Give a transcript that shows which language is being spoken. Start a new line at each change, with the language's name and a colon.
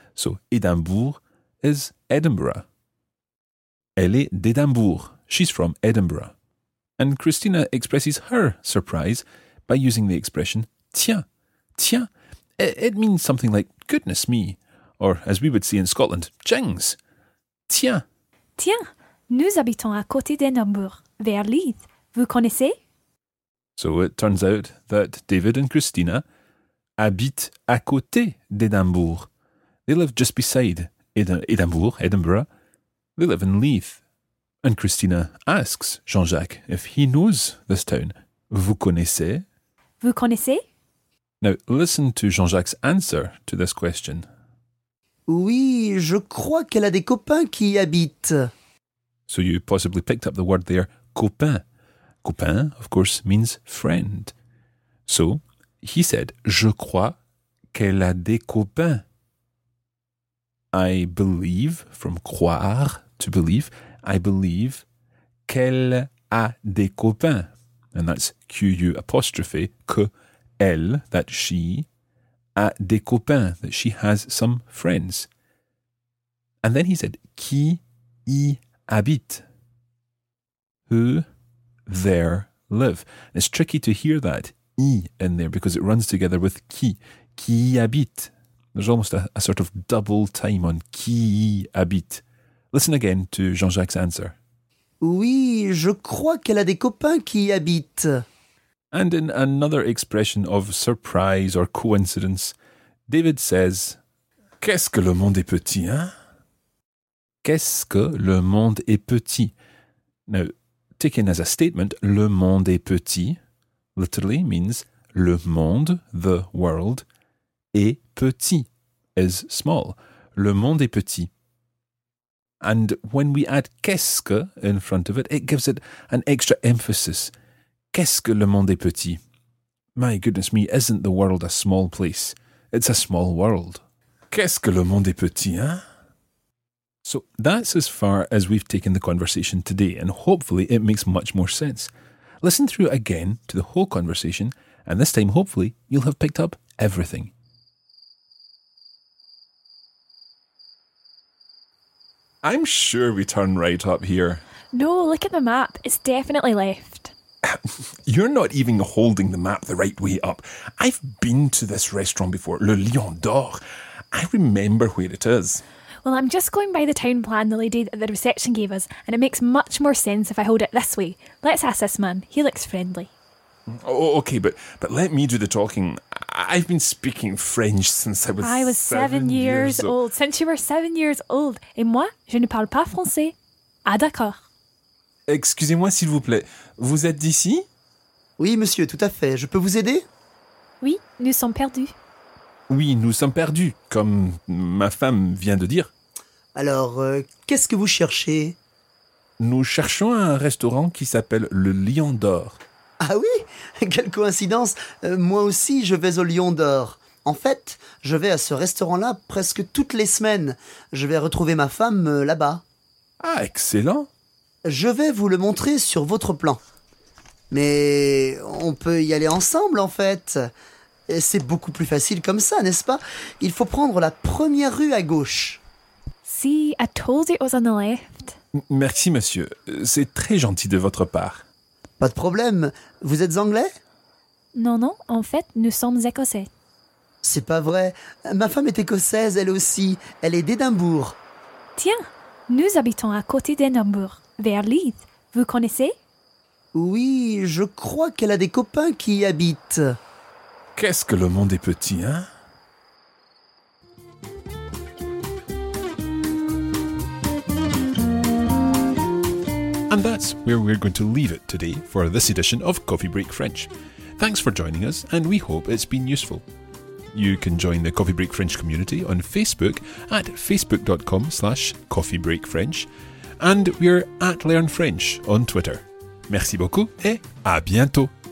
English: So Édimbourg is Edinburgh.
French: Elle est d'Édimbourg.
English: She's from Edinburgh. And Christina expresses her surprise by using the expression tiens. Tiens, it means something like goodness me, or as we would say in Scotland, jings.
French: Tiens. Tiens, nous habitons à côté d'Édimbourg, vers Leith. Vous connaissez?
English: So it turns out that David and Christina
French: habitent à côté d'Édimbourg.
English: They live just beside Edinburgh. They live in Leith. And Christina asks Jean-Jacques if he knows this town.
French: Vous connaissez? Vous connaissez?
English: Now, listen to Jean-Jacques' answer to this question.
French: Oui, je crois qu'elle a des copains qui y habitent.
English: So you possibly picked up the word there, copain. Copain, of course, means friend. So, he said,
French: je crois qu'elle a des copains.
English: I believe, from croire, to believe, I believe
French: qu'elle a des copains.
English: And that's Q-U apostrophe,
French: que elle,
English: that she,
French: a des copains,
English: that she has some friends. And then he said,
French: qui y habite?
English: Who there live? And it's tricky to hear that y in there because it runs together with qui.
French: Qui y habite?
English: There's almost a sort of double time on
French: qui y habite.
English: Listen again to Jean-Jacques' answer.
French: Oui, je crois qu'elle a des copains qui y habitent.
English: And in another expression of surprise or coincidence, David says,
French: qu'est-ce que le monde est petit, hein? Qu'est-ce que le monde est petit?
English: Now, taken as a statement,
French: le monde est petit,
English: literally means le monde, the world, est petit, is small.
French: Le monde est petit.
English: And when we add
French: qu'est-ce que
English: in front of it, it gives it an extra emphasis.
French: Qu'est-ce que le monde est petit?
English: My goodness me, isn't the world a small place? It's a small world.
French: Qu'est-ce que le monde est petit, hein?
English: So that's as far as we've taken the conversation today, and hopefully it makes much more sense. Listen through again to the whole conversation, and this time hopefully you'll have picked up everything. I'm sure we turn right up here. No, look at the map. It's definitely left. You're not even holding the map the right way up. I've been to this restaurant before, Le Lion d'Or. I remember where it is. Well, I'm just going by the town plan the lady at the reception gave us, and it makes much more sense if I hold it this way. Let's ask this man. He looks friendly. Oh, okay, but let me do the talking. I've been speaking French since I was seven years old. Since you were 7 years old.
French: Et moi, je ne parle pas français. Ah, d'accord. Excusez-moi, s'il vous plaît. Vous êtes d'ici? Oui, monsieur, tout à fait. Je peux vous aider? Oui, nous sommes perdus. Oui, nous sommes perdus, comme ma femme vient de dire. Alors, qu'est-ce que vous cherchez? Nous cherchons un restaurant qui s'appelle Le Lion d'Or. Ah oui? Quelle coïncidence! Moi aussi, je vais au Lion d'Or. En fait, je vais à ce restaurant-là presque toutes les semaines. Je vais retrouver ma femme là-bas. Ah, excellent! Je vais vous le montrer sur votre plan. Mais on peut y aller ensemble, en fait. C'est beaucoup plus facile comme ça, n'est-ce pas? Il faut prendre la première rue à gauche.
English: See, I told you it was on the left.
French: Merci, monsieur. C'est très gentil de votre part. Pas de problème. Vous êtes anglais? Non, en fait, nous sommes écossais. C'est pas vrai. Ma femme est écossaise, elle aussi. Elle est d'Édimbourg. Tiens, nous habitons à côté d'Édimbourg, vers Leith. Vous connaissez? Oui, je crois qu'elle a des copains qui y habitent. Qu'est-ce que le monde est petit, hein?
English: And that's where we're going to leave it today for this edition of Coffee Break French. Thanks for joining us, and we hope it's been useful. You can join the Coffee Break French community on Facebook at facebook.com/coffeebreakfrench, and we're at Learn French on Twitter.
French: Merci beaucoup et à bientôt!